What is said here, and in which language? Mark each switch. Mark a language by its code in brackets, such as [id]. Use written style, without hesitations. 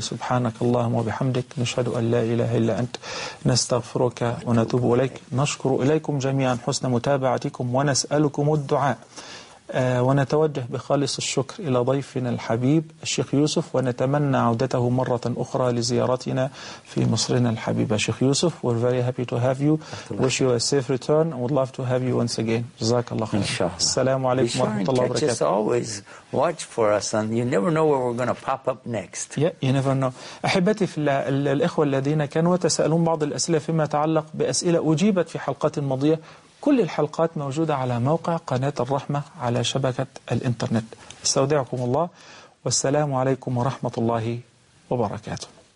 [ar] سبحانك اللهم وبحمدك، نشهد أن لا إله إلا أنت، نستغفرك ونتوب إليك. نشكر إليكم جميعا حسن متابعتكم ونسألكم الدعاء، ونتوجه بخالص الشكر إلى ضيفنا الحبيب الشيخ يوسف، ونتمنى عودته مرة أخرى لزيارتنا في مصرنا الحبيبة. [en] شيخ يوسف، we're very happy to have you. Wish you a safe return. Would love to have you once again. [ar] جزاك الله خير. السلام عليكم ورحمة الله وبركاته. [en] Be sure and catch us always. Watch for us, and you never know where we're going to pop up next. Yeah, you never know. [ar] أحبتي في الإخوة الذين كانوا يتساءلون بعض الأسئلة فيما يتعلق بأسئلة أجيبت في حلقات ماضية، كل الحلقات موجودة على موقع قناة الرحمة على شبكة الإنترنت. استودعكم الله، والسلام عليكم ورحمة الله وبركاته.